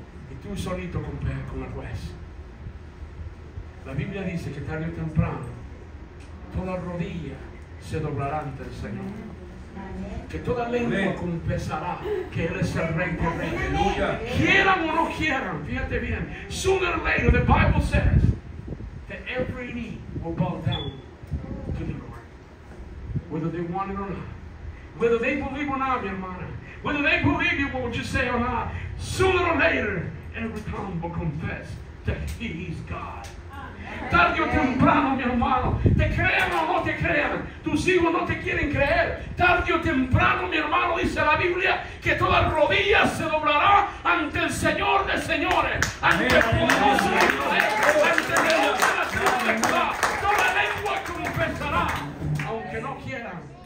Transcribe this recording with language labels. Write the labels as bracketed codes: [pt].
[es] Y tú solito con el juez. La Biblia dice que tarde o temprano, toda rodilla se doblará ante el Señor. Que toda lengua confesará que Él es el Rey de Reyes. Quieran o no quieran, fíjate bien. [en] Sooner or later, the Bible says that every knee will bow down to the Lord. Whether they want it or not. Whether they believe or not, [es] mi hermana. [en] Whether they believe you, what you say or not. Sooner or later, every tongue will confess that He is God. [es] Tarde o temprano, mi hermano, te crean o no te crean, tus hijos no te quieren creer. Tarde o temprano, mi hermano, dice la Biblia que toda rodilla se doblará ante el Señor de Señores, ante el poderoso Rey, ante el Dios de la Trinidad. Toda lengua confesará, aunque no quieran.